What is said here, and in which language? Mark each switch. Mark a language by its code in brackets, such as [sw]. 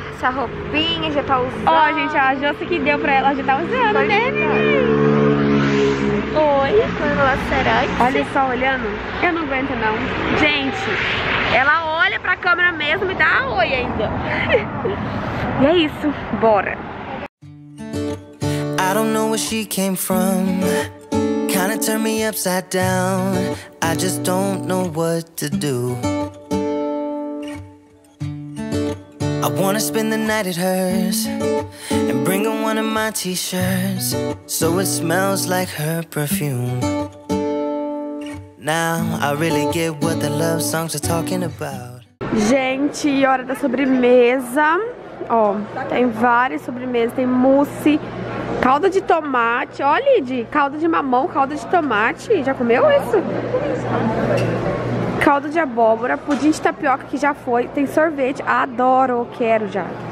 [pt] Essa roupinha já tá usando. Ó, gente, a Jossi que deu pra ela já tá usando, né? Oi, como ela será? Olha só, olhando. Eu não aguento, não. Gente, ela olha pra câmera mesmo e dá oi ainda. E é isso, bora. [en] I don't know where she came from. Kinda turned me upside down. I just don't know what to do. I wanna spend the night at hers and bring her one of my t-shirts so it smells like her perfume. Now I really get what the love songs are talking about. [pt] Gente, hora da sobremesa. Ó, tem várias sobremesas, tem mousse. Calda de tomate, ó, Lid, calda de mamão, calda de tomate, já comeu isso? Calda de abóbora, pudim de tapioca que já foi, tem sorvete, adoro, quero já.